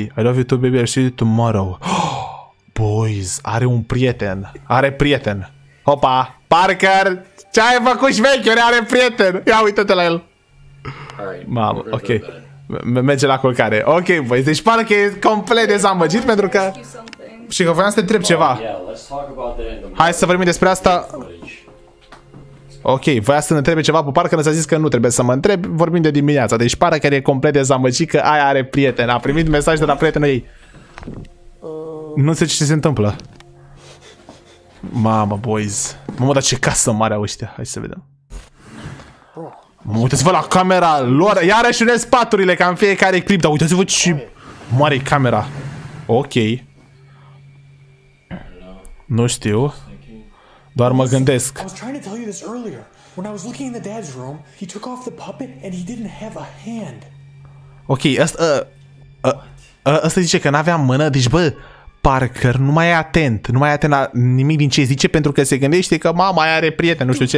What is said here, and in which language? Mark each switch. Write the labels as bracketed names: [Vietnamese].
[English] I love you too, baby, I'll see you tomorrow. [Romanian] Boys, are un prieten. Are prieten. Hopa, Parker, ce ai făcut, șmechiule? Are prieten. Ia uite-te la el. Mamă, ok. Merge la culcare. Ok, boys, deci pare că e complet dezamăgit pentru că... Și că voiam să te întreb ceva. Hai să vorbim despre asta. Ok, voia să ne întrebe ceva pe Parker, ne-a zis că nu trebuie să mă întreb, vorbim de dimineața, deci pare că e complet dezamăgit că aia are prieten, a primit mesaj de la prietenul ei. Nu știu ce se întâmplă. Mamă, boys. Mamă, dar ce casă mare au ăștia, hai să vedem. Mamă, uitați-vă la camera lor, iarăși unesc paturile ca în fiecare clip, dar uitați-vă ce mare e camera. Ok. Nu știu. Doar mă gândesc. [English] I was trying to tell you this earlier. When I was looking in the dad's room, he took off the puppet and he didn't have a hand. [Romanian] Ok, asta zice că n-avea mână, deci bă, Parker, nu mai e atent, nu mai e atent la nimic din ce zice pentru că se gândește că mama aia are prieten, nu știu ce.